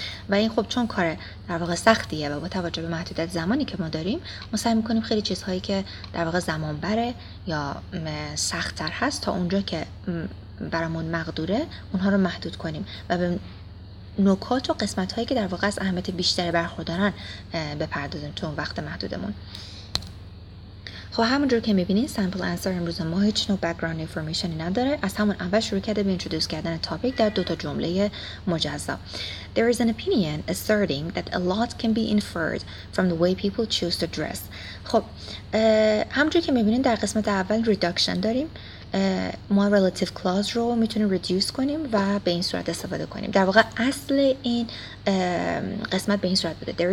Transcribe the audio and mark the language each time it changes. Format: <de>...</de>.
<fa>و این خب چون کار در واقع سختیه و با توجه به محدودیت زمانی که ما داریم، ما سعی میکنیم خیلی چیزهایی که در واقع زمان بره یا سخت تر هست تا اونجا که برامون مقدوره اونها رو محدود کنیم و به نکات و قسمت هایی که در واقع از اهمیت بیشتری برخوردارن بپردازیم تو اون وقت محدودمون. خب همونجور که میبینین سمپل انسر امروز ما هیچ نوع بکگراند انفورمیشنی نداره، از همون اول شروع کرده به اینترودوس کردن تاپیک در دوتا جمله مجزا.</fa> <en>There is an opinion asserting that a lot can be inferred from the way people choose to dress.</en> <fa>خب همونجور که میبینین در قسمت اول reduction داریم، ما relative clause رو میتونیم reduce کنیم و به این صورت استفاده کنیم. در واقع اصل این قسمت به این صورت بوده.</fa>